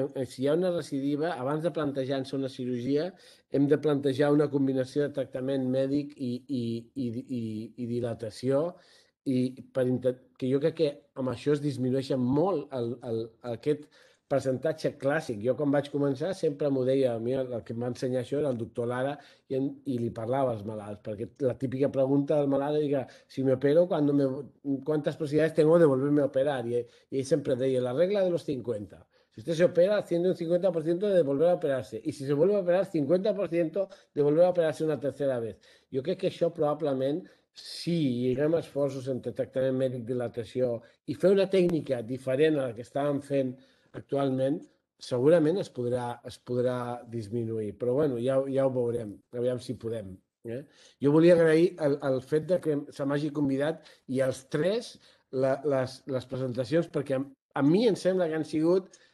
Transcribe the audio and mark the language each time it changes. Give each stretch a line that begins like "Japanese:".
Catalan: si hi ha una recidiva, abans de plantejar-se una cirurgia, hem de plantejar una combinació de tractament mèdic i dilatació, i que jo crec que amb això es disminueix molt aquest percentatge clàssic. Jo quan vaig començar sempre m'ho deia, a mi el que em va ensenyar això era el doctor Lara i li parlava als malalts, perquè la típica pregunta del malalt era si m'opero, quantes possibilitats
Spanish: tengo de volverme a operar?
Catalan: I ell sempre deia la regla
Spanish: de los 50. Si usted se opera, tiene un 50% de volver a operarse. Y si se vuelve a operar, 50% de volver a operarse una tercera vez.
Catalan: Jo crec que això probablement, si lliguem esforços entre tractament mèdic, dilatació i fer una tècnica diferent a la que estàvem fent actualment, segurament es podrà disminuir. Però bueno, ja ho veurem, aviam si podem. Jo volia agrair el fet de que se m'hagi convidat i els tres les presentacions, perquè a mi em sembla que han sigut,